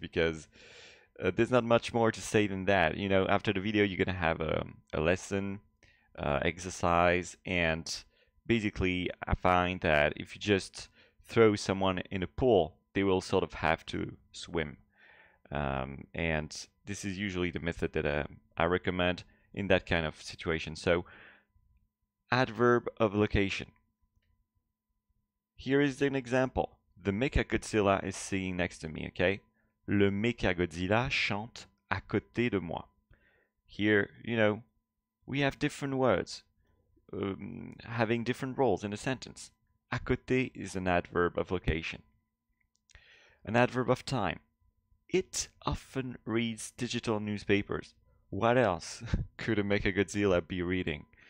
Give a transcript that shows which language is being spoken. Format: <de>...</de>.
<en>Because there's not much more to say than that. You know, after the video, you're going to have a lesson, exercise, and basically, I find that if you just throw someone in a pool, they will sort of have to swim. And this is usually the method that I recommend in that kind of situation. So, adverb of location. Here is an example. The Mecha Godzilla is singing next to me, okay?</en> <fr>Le Mecha Godzilla chante à côté de moi.</fr> <en>Here, you know, we have different words having different roles in a sentence. À côté is an adverb of location. An adverb of time. It often reads digital newspapers. What else could a Mechagodzilla be reading?</en>